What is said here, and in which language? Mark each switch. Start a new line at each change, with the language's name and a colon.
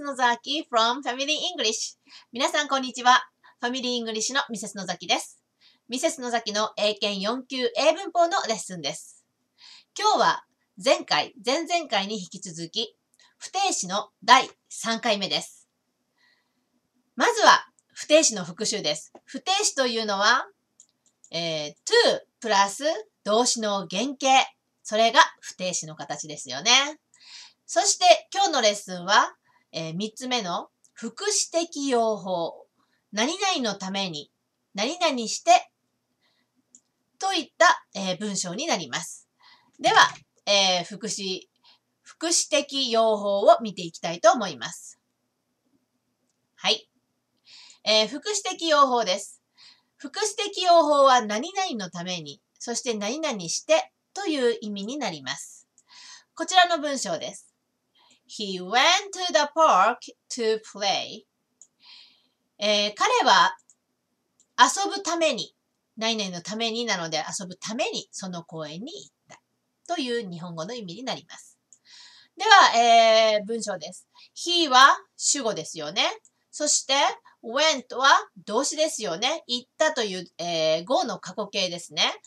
English: Nozaki from Family English.
Japanese: 皆さん、こんにちは。Family English の Mrs. Nozaki です。Mrs. Nozaki の英検4級英文法のレッスンです。今日は前回、前々回に引き続き、不定詞の第3回目です。まずは、不定詞の復習です。不定詞というのは、to プラス動詞の原型。それが不定詞の形ですよね。そして今日のレッスンは、3つ目の副詞適用法。何々のために、何々して、といった、文章になります。では、副詞適用法を見ていきたいと思います。はい。副詞適用法です。副詞適用法は何々のために、そして何々してという意味になります。こちらの文章です。
English: He went to the park to play.
Japanese: 彼は遊ぶために、何々のためになので遊ぶためにその公園に行ったという日本語の意味になります。では、文章です。He は主語ですよね。そして went は動詞ですよね。行ったという、語の過去形ですね。